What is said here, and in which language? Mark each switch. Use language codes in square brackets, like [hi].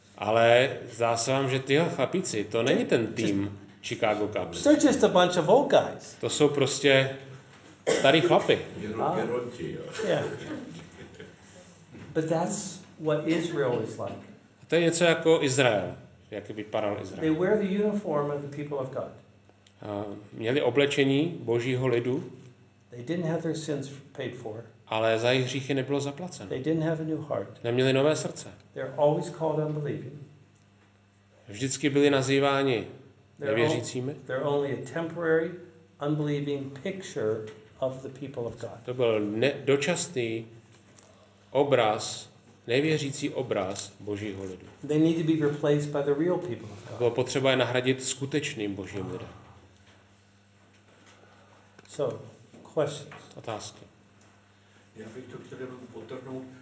[cs] Ale zdá se vám, že tyhle chlapíci, to není ten tým just, Chicago Cubs. [en] They're just a bunch of old guys. [cs] To jsou prostě starý chlapy. [en] Yeah. But that's what Israel is like. [cs] A to je něco jako Izrael, jak vypadal Izrael. [en] They wear the uniform of the people of God. [cs] Měli oblečení Božího lidu. [en] They didn't have their sins paid for. [cs] Ale za jejich hříchy nebylo zaplaceno. [en] They didn't have a new heart. [cs] Neměli nové srdce. [en] They're always called unbelieving. [cs] Vždycky byli nazýváni nevěřícími. [en] They're only a temporary unbelieving picture of the people of God. [cs] To byl dočasný obraz, nevěřící obraz Božího lidu. [en] They need to be replaced by the real people of God. [cs] Bylo potřeba je nahradit skutečným Božím lidem. [en] So, questions. [cs] Otázky. Já bych to chtěl jenom potrhnout.